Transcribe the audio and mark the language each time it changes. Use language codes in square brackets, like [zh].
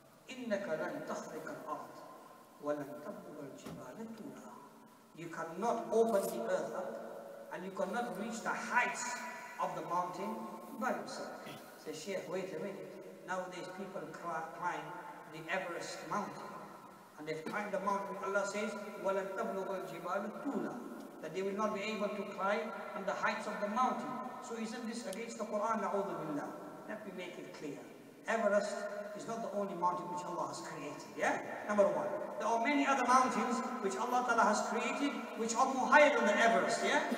[ar] إِنَّكَ لَنْ تَخْرِقَ الْأَرْضِ وَلَنْ تَبْلُغَ الْجِبَالَ طُولًا. [en] You cannot open the earth up and you cannot reach the heights of the mountain by yourself. Say, Shaykh, wait a minute. Nowadays people climb the Everest mountain. And they've climbed the mountain. Allah says, [ar] وَلَنْ تَبْلُغَ الْجِبَالَ طُولًا. [en] That they will not be able to climb on the heights of the mountain. So isn't this against the Quran? [ar] نَعُوذُ بِاللَّهِ. [en] Let me make it clear. Everest is not the only mountain which Allah has created, yeah? Number one. There are many other mountains which Allah Ta'ala has created which are more higher than the Everest, yeah?